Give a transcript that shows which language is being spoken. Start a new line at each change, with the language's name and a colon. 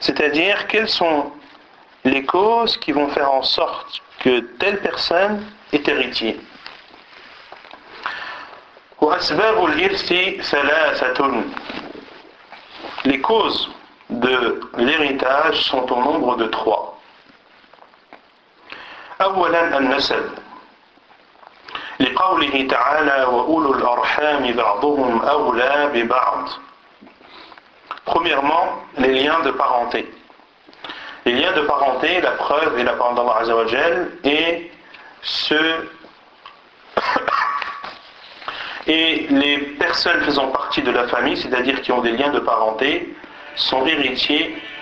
French: C'est-à-dire, quelles sont les causes qui vont faire en sorte que telle personne est héritier ?
Arabic: وأسباب الإرث ثلاثة.
French: Les causes de l'héritage sont au nombre de trois.
Arabic: أولا النسب. لقوله تعالى وأولو الأرحام بعضهم أولى ببعض.
French: Premièrement, les liens de parenté. Les liens de parenté, la preuve est la parole d'Allah Azza wa Jal, et les personnes faisant partie de la famille, c'est-à-dire qui ont des liens de parenté, sont héritiers.